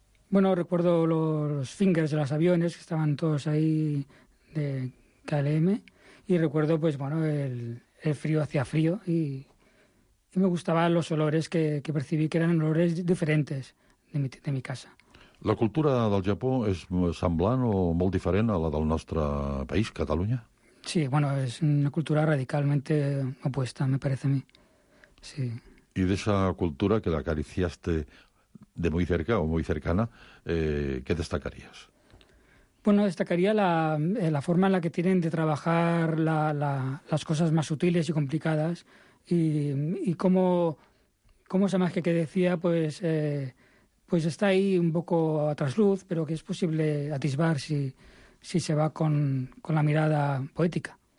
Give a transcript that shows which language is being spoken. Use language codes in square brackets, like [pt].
[es] Bueno, recuerdo los fingers de los aviones, que estaban todos ahí de KLM, y recuerdo, pues bueno, el frío hacía frío, y me gustaban los olores que percibí, que eran olores diferentes de mi casa. [ca] La cultura del Japó és semblant o molt diferent a la del nostre país, Catalunya? [es] Sí, bueno, es una cultura radicalmente opuesta, me parece a mí. Sí. Y de esa cultura que la acariciaste de muy cerca o muy cercana, ¿qué destacarías? Bueno, destacaría la forma en la que tienen de trabajar las cosas más sutiles y complicadas, y cómo esa magia que decía, pues está ahí un poco a trasluz, pero que es posible atisbar si se va con la mirada poética.